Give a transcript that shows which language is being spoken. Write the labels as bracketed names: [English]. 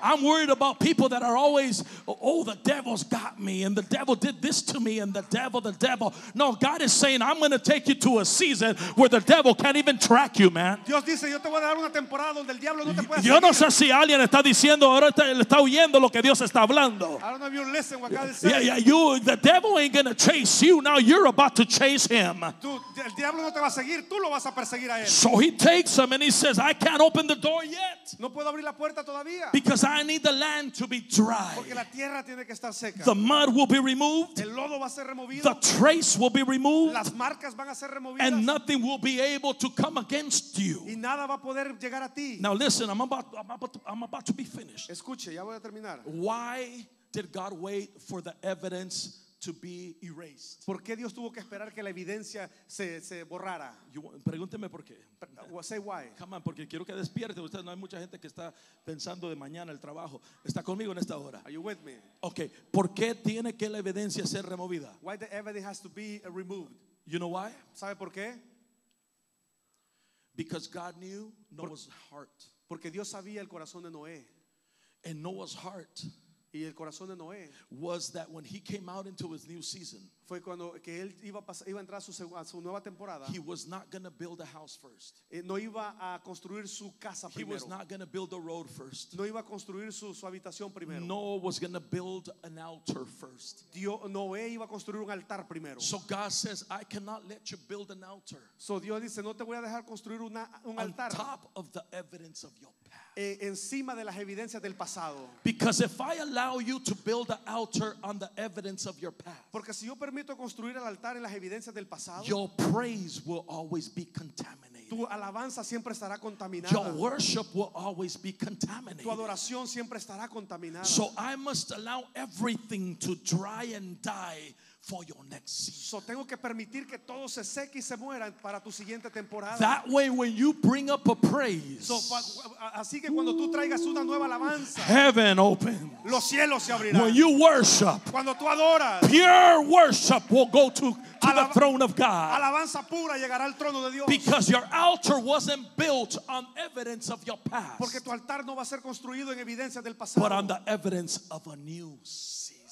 [English] I'm worried about people that are always, oh, the devil's got me, and the devil did this to me, and the devil. No, God is saying, I'm going to take you to a season where the devil can't even track you, man. [Spanish] Dios dice, yo te voy a dar una temporada donde el diablo no te puede. Yo no sé si alguien está diciendo, ahora está oyendo lo que Dios está hablando. [English] Yeah, you, the devil ain't going to chase you. Now you're about to chase him. [Spanish] El diablo no te va a seguir, tú lo vas a perseguir a él. [English] So he takes him and he says, I can't open the door yet. [Spanish] No puedo abrir la puerta todavía. [English] Because I need the land to be dry. [Spanish] Porque la tierra tiene que estar seca. [English] The mud will be removed. [Spanish] El lodo va a ser removido. [English] The trace will be removed. [Spanish] Las marcas van a ser removidas. [English] And nothing will be able to come against you. [Spanish] Y nada va a poder llegar a ti. [English] Now listen, I'm about to be finished. [Spanish] Escuche, ya voy a terminar. [English] Why did God wait for the evidence to be erased? [Spanish] ¿Por qué Dios tuvo que esperar que la evidencia se borrara? Pregúnteme por qué. [English] Well, say why. Come on, [Spanish] porque quiero que despierte. Usted, no hay mucha gente que está pensando de mañana el trabajo. Está conmigo en esta hora. [English] Are you with me? Okay. [Spanish] ¿Por qué tiene que la evidencia ser removida? [English] Why the evidence has to be removed? You know why? [Spanish] ¿Sabe por qué? [English] Because God knew Noah's heart. [Spanish] Porque Dios sabía el corazón de Noé. [English] And Noah's heart. [Spanish] Y el corazón de Noé. [English] Was that when he came out into his new season. [Spanish] Fue cuando que él iba a entrar a su nueva temporada. [English] He was not going to build a house first. [Spanish] No iba a construir su casa primero. [English] He was not going to build a road first. [Spanish] No iba a construir su habitación primero. [English] Noah was going to build an altar first. [Spanish] Noé iba a construir un altar primero. [English] So God says, I cannot let you build an altar. [Spanish] So Dios dice, no te voy a dejar construir un altar. [English] On top of the evidence of your past. [Spanish] Encima de las evidencias del pasado. [English] Because if I allow you to build an altar on the evidence of your past. [Spanish] Porque si yo permito construir el altar en las evidencias del pasado. [English] Your praise will always be contaminated. [Spanish] Tu alabanza siempre estará contaminada. [English] Your worship will always be contaminated. [Spanish] Tu adoración siempre estará contaminada. [English] So I must allow everything to dry and die for your next season. [Spanish] So tengo que permitir que todo se seque y se muera para tu siguiente temporada. [English] That way when you bring up a praise. [Spanish] So, así que cuando tú traigas una nueva alabanza. [English] Heaven opens. [Spanish] Los cielos se abrirán. [English] When you worship. [Spanish] Cuando tú adoras. [English] Pure worship will go to the throne of God. [Spanish] Alabanza pura llegará al trono de Dios. [English] Because your altar wasn't built on evidence of your past. [Spanish] Porque tu altar no va a ser construido en evidencia del pasado. [English] But on the evidence of a new season.